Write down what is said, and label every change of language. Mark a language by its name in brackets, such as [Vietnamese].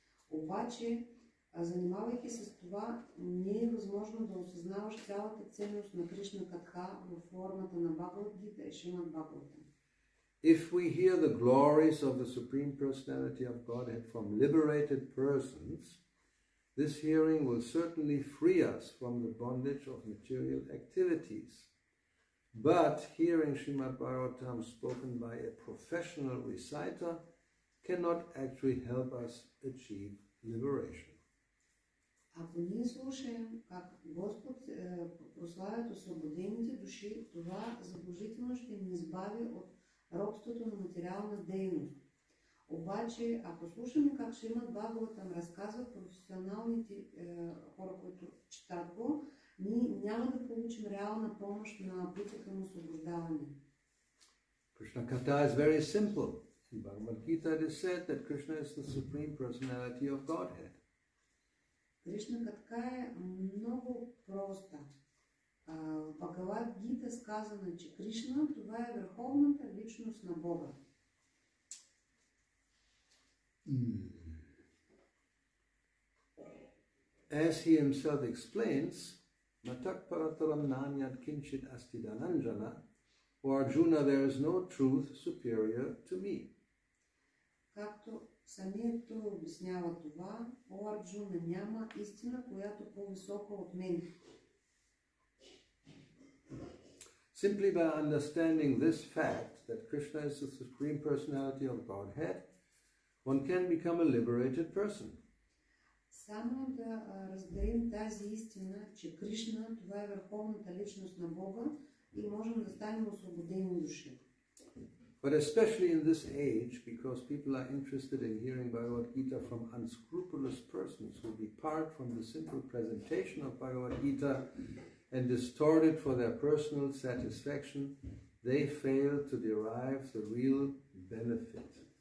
[Bulgarian] Обаче, занимавайки се с това, не е възможно да осъзнаваш цялата ценност на Кришна Катха във формата на Бхагавад Гита и Шримад Бхагаватам. [English] If we hear the glories of the Supreme Personality of Godhead from liberated persons, this hearing will certainly free us from the bondage of material activities. But hearing Shrimad Bhagavatam spoken by a professional reciter cannot actually help us achieve liberation. [Bulgarian] Ако ние слушаем как Господ прославят освободените души, това заблужително ще ни избави от робството на материална дейност. Обаче, ако слушаме как Шримад Бхагаватам разказват професионалните хора, които четат го, ние няма да получим реална помощ на пътя към освобождаване. [English] Кришна Катха is very simple. In Bhagavad Gita it is said that Krishna is the Supreme Personality of Godhead. [Bulgarian] Кришна Катха е много проста. Бхагавад Гита сказано, че Кришна това е върховната личност на Бога. [English] As he himself explains, [Sanskrit] matak parataram nanyat kinchit asti dananjana, [English] for Arjuna there is no truth superior to me. [Bulgarian] Както самият той обяснява това, о Арджуна, няма истина, която по-висока от мен. [English] Simply by understanding this fact that Krishna is the Supreme Personality of Godhead, one can become a liberated person. [Bulgarian] Само да разберем тази истина, че Кришна това е върховната личност на Бога и можем да станем освободени души. [English] But especially in this age, because people are interested in hearing Bhagavad Gita from unscrupulous persons who depart from the simple presentation of Bhagavad Gita and distort it for their personal satisfaction, they fail to derive the real benefit.